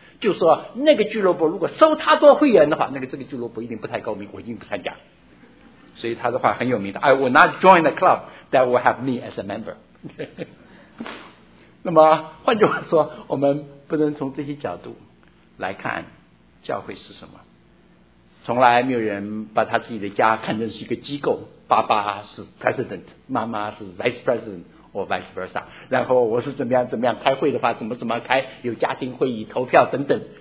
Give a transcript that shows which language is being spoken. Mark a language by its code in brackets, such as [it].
[zh] 就说那个俱乐部如果收他做会员的话，那个这个俱乐部一定不太高明，我一定不参加。所以他的话很有名的， [en] I will not join the club that will have me as a member。 [zh] 那么换句话说，我们不能从这些角度来看教会是什么。从来没有人把他自己的家看成是一个机构，爸爸是 president， 妈妈是 vice president，或 vice versa， 然后我是怎么样开会的话，怎么开，有家庭会议投票等等。